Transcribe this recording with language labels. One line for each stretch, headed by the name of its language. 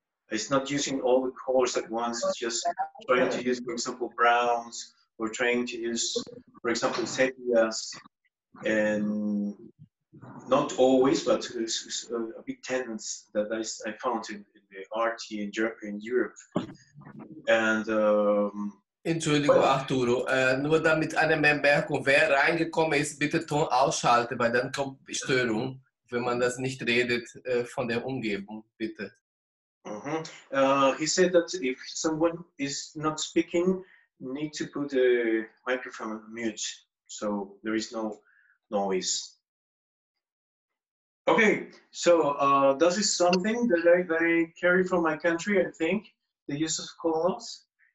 English: It's not using all the colors at once, it's just trying to use, for example, browns, or trying to use, for example, sepias, and not always, but it's a big tendency that I found in the art here in Europe. And
German: Entschuldigung, Arturo, nur damit eine Bemerkung, wer reingekommen ist, bitte Ton ausschalten, weil dann kommt Störung, wenn man das nicht redet von der Umgebung, bitte.
English: He said that if someone is not speaking, need to put the microphone on mute, so there is no noise. Okay, so this is something that I carry from my country, I think, the use of colors.